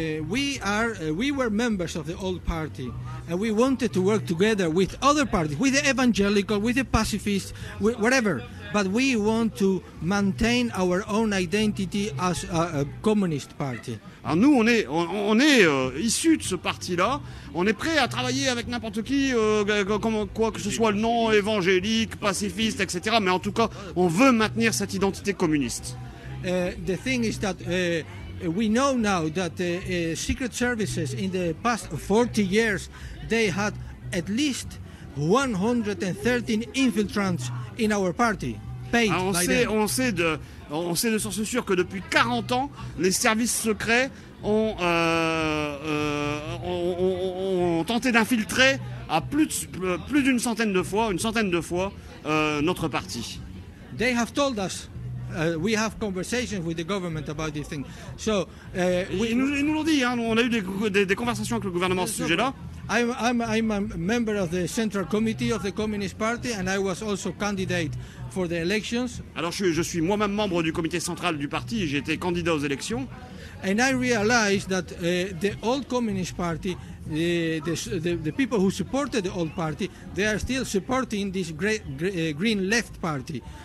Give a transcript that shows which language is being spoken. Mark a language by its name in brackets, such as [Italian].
[English] We were members of the old party, and we wanted to work together with other parties, with the evangelical, with the pacifist, whatever. But we want to maintain our own identity as a communist party. [French] Alors nous, on est issus de ce parti-là. On est prêt à travailler avec n'importe qui, quoi que ce soit le nom, évangélique, pacifiste, etc. Mais en tout cas, on veut maintenir cette identité communiste. [English] The thing is that. We know now that the secret services in the past 40 years they had at least 113 infiltrants in our party paid. [French] Alors on sait de source sûre que depuis 40 ans les services secrets ont tenté d'infiltrer à plus d'une centaine de fois notre parti. [English] They have told us. We have conversations with the government about this thing. So, [French] ils nous l'ont dit. Hein, on a eu des conversations avec le gouvernement sur ce sujet-là. [English] I'm a member of the Central Committee of the Communist Party, and I was also candidate for the elections. [French] Alors, je suis moi-même membre du comité central du parti. J'ai été candidat aux élections. [English] And I realized that the old Communist Party, the people who supported the old party, they are still supporting this great Green Left Party.